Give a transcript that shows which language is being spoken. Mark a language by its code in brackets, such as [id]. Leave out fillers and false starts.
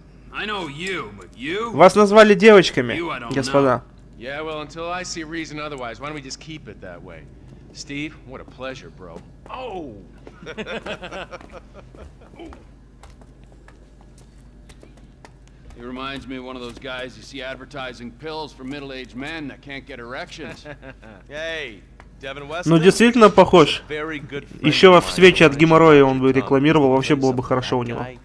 [ru] Вас назвали девочками, господа. [en] Yeah, well, until I see reason otherwise, why don't we just keep it that way? Steve, what a pleasure, bro. Oh! He reminds me of one of those guys you see advertising pills for middle-aged men that can't get erections. Hey! [ru] Ну действительно похож. Еще в свече от геморроя он бы рекламировал, вообще было бы хорошо у него.